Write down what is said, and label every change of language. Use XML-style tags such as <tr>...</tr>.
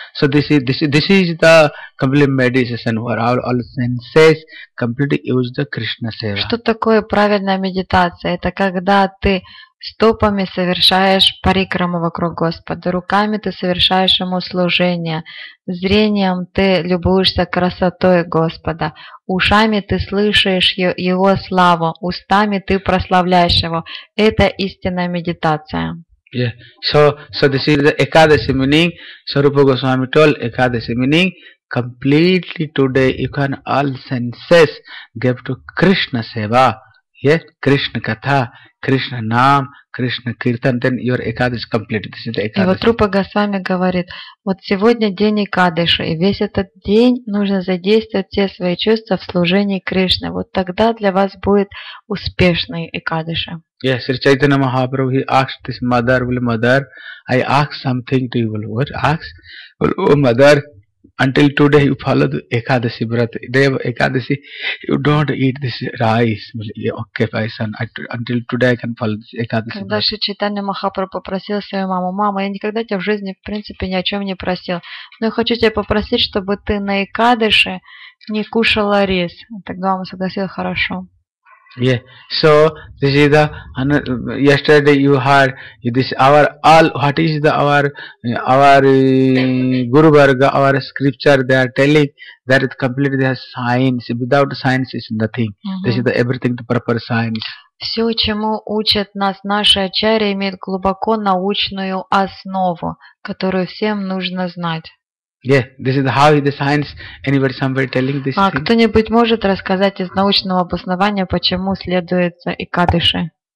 <en>So this is the complete meditation where all senses completely use the Krishna seva.</en> <ru>Что такое правильная медитация? Это когда ты стопами совершаешь парикраму вокруг Господа, руками ты совершаешь ему служение, зрением ты любуешься красотой Господа, ушами ты слышишь его славу, устами ты прославляешь его. Это истинная медитация.</ru> <en>Yeah. So this is the Ekadasi meaning. Swarupa Goswami told Ekadasi meaning. Completely today you can all senses give to Krishna seva. Yeah, Krishna Katha, Krishna Naam, Krishna Kirtan, then your Ekadash complete. This is the Ekadash.</en> <ru>И вот Рупа Госвами говорит, вот сегодня день Экадыша, и весь этот день нужно задействовать все свои чувства в служении Кришне. Вот тогда для вас будет успешный Экадыша.</ru> <en>Yes, Sri Chaitanya Mahaprabhu, he asked this mother, I ask something to you. What? Ask? Well, oh, mother, until today you follow the Ekadasi Vrata. Day of Ekadasi, you don't eat this rice. Okay, my son, until today I can follow this Ekadasi Vrata.</en> <ru>Когда Шри Чайтанья Махапрабху попросил свою маму, мама, я никогда тебя в жизни, в принципе, ни о чем не просил, но я хочу тебя попросить, чтобы ты на Экадаши не кушала рис. Тогда мама согласила, хорошо.</ru> <en>Yeah, so this is the yesterday you heard this Guru Varga, our scripture, they are telling that it completely has science. Without science is nothing. Mm-hmm. This is the everything to proper science.</en> <ru>Все, чему учат нас наши ачарьи, имеет глубоко научную основу, которую всем нужно знать.</ru> <en>Yeah, this is how the science. Anybody, somebody telling this?</en> <ru>А кто-нибудь может рассказать из научного обоснования, почему следуется Экадыши?</ru>